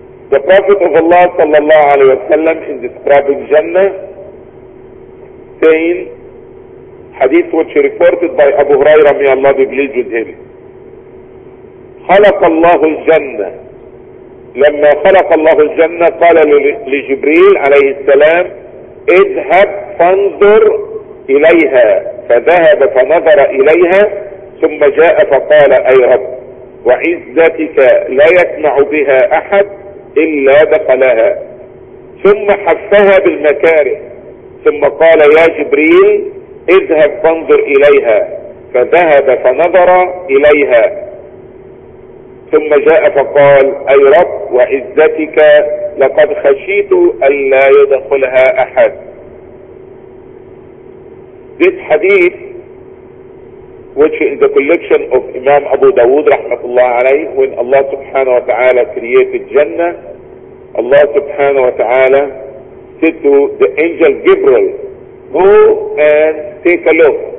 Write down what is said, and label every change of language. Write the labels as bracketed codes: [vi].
[en] The Prophet of Allah sallallahu alayhi wa sallam in describing Jannah, saying, hadith which is reported by Abu Hurairah, may Allah be pleased with him. [ar] خلق الله الجنة. لما خلق الله الجنة قال لجبريل عليه السلام اذهب فانظر إليها. فذهب فنظر إليها ثم جاء فقال أي رب وعزتك لا يسمع بها أحد إلا دخلها ثم حفها بالمكاره ثم قال يا جبريل اذهب فانظر إليها. فذهب فنظر إليها ثم جاء فقال أي رب وعزتك لقد خشيت ألا يدخلها أحد. [en] This hadith, which is the collection of Imam Abu Dawood rahmatullah alayhi, when Allah subhanahu wa ta'ala created Jannah, Allah subhanahu wa ta'ala said to the angel Gabriel, go and take a look.